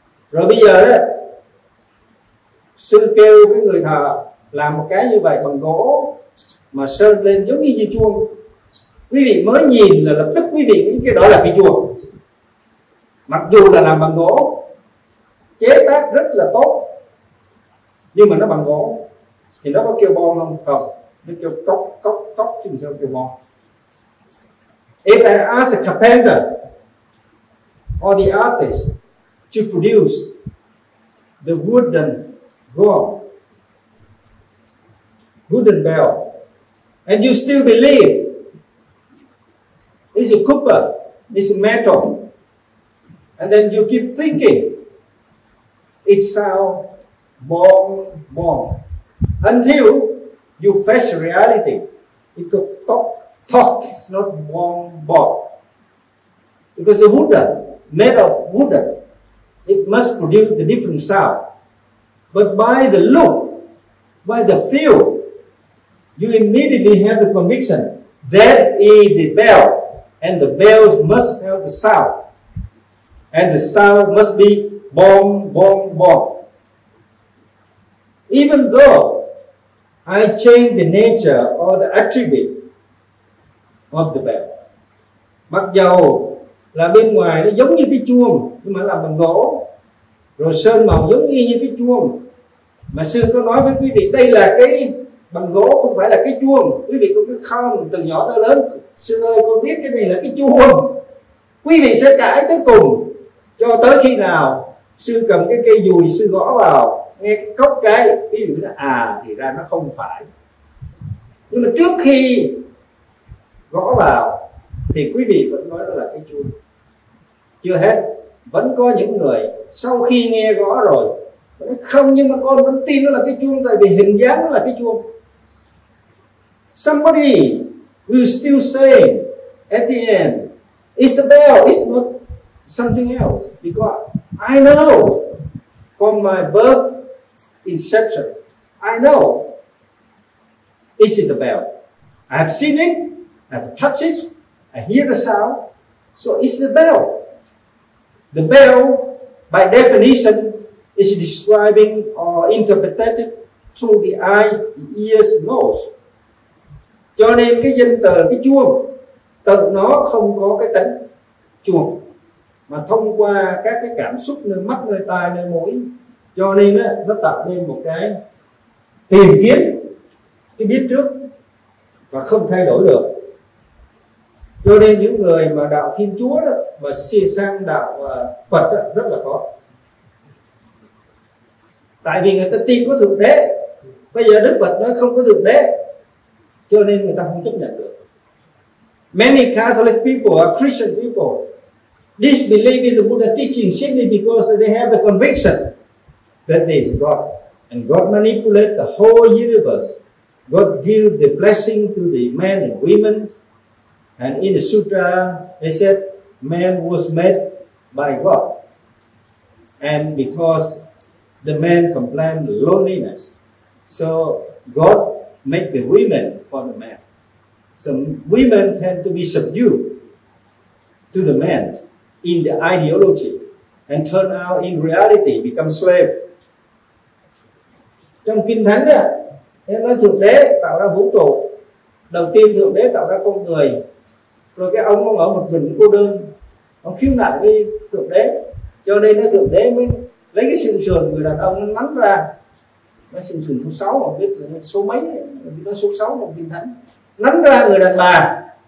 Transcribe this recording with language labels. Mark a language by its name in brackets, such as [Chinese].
[Vietnamese] Rồi bây giờ đó, sư kêu cái người thợ làm một cái như vậy bằng gỗ mà sơn lên giống như chuông, quý vị mới nhìn là lập tức quý vị nghĩ cái đó là cái chuông, mặc dù là làm bằng gỗ, chế tác rất là tốt nhưng mà nó bằng gỗ thì nó có kêu bong không? Không, nó kêu cốc cốc cốc chứ sao kêu bong. [English] If I ask a carpenter or the artist to produce the wooden gong, wooden bell, and you still believe it's a copper, it's a metal, and then you keep thinking it sounds bong bong until you face reality. It could talk, talk, it's not bong bong, because the wooden, made of wooden, it must produce the different sound. But by the look, by the feel, you immediately have the conviction that is the bell, and the bell must have the sound, and the sound must be bom, bom, bom. Even though I change the nature or the attribute of the bell, [Vietnamese] mặc dầu là bên ngoài nó giống như cái chuông nhưng mà làm bằng gỗ, rồi sơn màu giống như cái chuông, mà sư có nói với quý vị đây là cái bằng gỗ không phải là cái chuông, quý vị có biết không, từ nhỏ tới lớn sư ơi con biết cái này là cái chuông, quý vị sẽ cãi tới cùng cho tới khi nào sư cầm cái cây dùi sư gõ vào nghe cái cốc cái, quý vị nói à thì ra nó không phải. Nhưng mà trước khi gõ vào thì quý vị vẫn nói đó là cái chuông. Chưa hết, vẫn có những người sau khi nghe gõ rồi không, nhưng mà con vẫn tin nó là cái chuông tại vì hình dáng nó là cái chuông. [English] Somebody will still say at the end it's the bell, it's not something else, because I know from my birth inception, I know it's the bell. I have seen it, I have touched it, I hear the sound, so it's the bell. The bell by definition is describing or interpreted through the eyes, the ears, nose. [Vietnamese] Cho nên cái danh từ cái chuông tự nó không có cái tính chuông, mà thông qua các cái cảm xúc nơi mắt, nơi tai, nơi mũi, cho nên nó tạo nên một cái tìm kiếm cái biết trước và không thay đổi được. Cho nên những người mà đạo Thiên Chúa đó mà chuyển sang đạo Phật đó, rất là khó. Tại vì người ta tin có thượng đế. Bây giờ Đức Phật nói không có thượng đế, cho nên người ta không chấp nhận được. [English] Many Catholic people or Christian people disbelieve in the Buddha teaching simply because they have the conviction that there is God. And God manipulates the whole universe. God gives the blessing to the men and women. And in the sutra, they said, man was made by God. And because the man complained loneliness, so God made the women for the man. So women tend to be subdued to the man in the ideology and turn out in reality become slave. [Vietnamese] Trong kinh thánh đó, thế nói thượng đế tạo ra vũ trụ. Đầu tiên thượng đế tạo ra con người, rồi cái ông ở một mình cô đơn, ông khiếu nại với thượng đế, cho nên nó thượng đế mới lấy cái xương sườn người đàn ông nắm ra, nó xương sườn số 6, ông biết số mấy, nó số 6 trong kinh thánh, nắm ra người đàn bà.